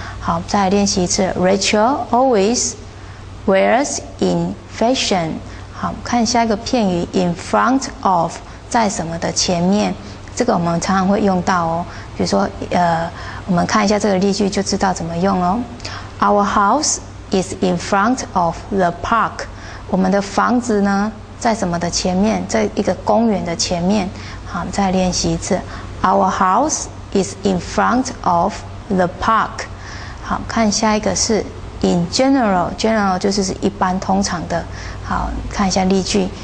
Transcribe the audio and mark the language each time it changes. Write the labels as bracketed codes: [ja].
[zh] 好，再来练习一次。 [en] Rachel always wears in fashion。 [zh] 好，看下一个片语 ，in front of， 在什么的前面，这个我们常常会用到哦。比如说，我们看一下这个例句就知道怎么用喽。 [en] Our house is in front of the park。 [zh] 我们的房子呢，在什么的前面，在一个公园的前面。好，我们再练习一次。 [en] Our house is in front of the park。 [zh] 好，看下一个是 In general, general 就是一般通常的。好，看一下例句。